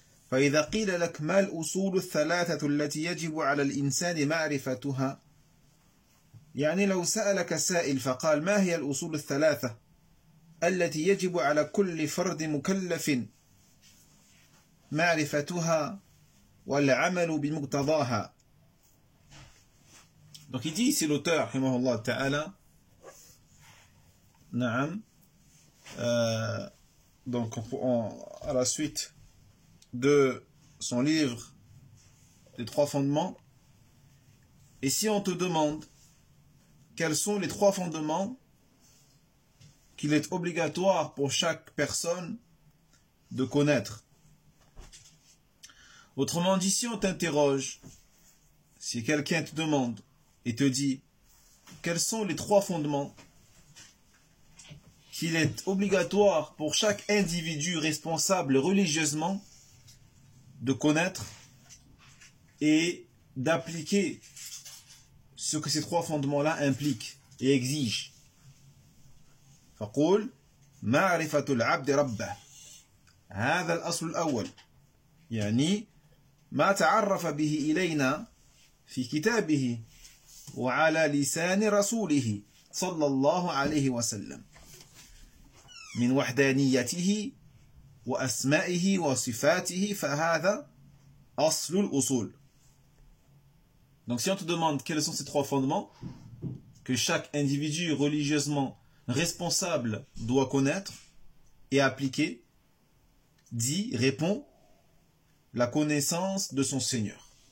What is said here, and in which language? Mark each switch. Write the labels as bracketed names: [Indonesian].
[Arabic] فإذا قيل لك ما الأصول الثلاثة التي يجب على الإنسان معرفتها، يعني لو سألك سائل فقال ما هي الأصول الثلاثة التي يجب على كل فرد مكلف معرفتها والعمل بمقتضاها. [French] Donc il dit ici l'auteur, rahimahullah ta'ala, na'am, donc à la suite de son livre Les Trois Fondements, et si on te demande quels sont les trois fondements qu'il est obligatoire pour chaque personne de connaître. Autrement dit, si on t'interroge, si quelqu'un te demande et te dit quels sont les trois fondements qu'il est obligatoire pour chaque individu responsable religieusement de connaître et d'appliquer ce que ces trois fondements-là impliquent et exigent. [Arabic] فقول معرفة العبد ربه هذا الأصل الأول، يعني ما تعرف به إلينا في كتابه وعلى لسان رسوله صلى الله عليه وسلم من وحدانيته وأسمائه وصفاته، فهذا أصل الأصول. [French] Donc si on te demande quels sont ces trois fondements que chaque individu religieusement responsable doit connaître et appliquer, dit, répond, la connaissance de son Seigneur.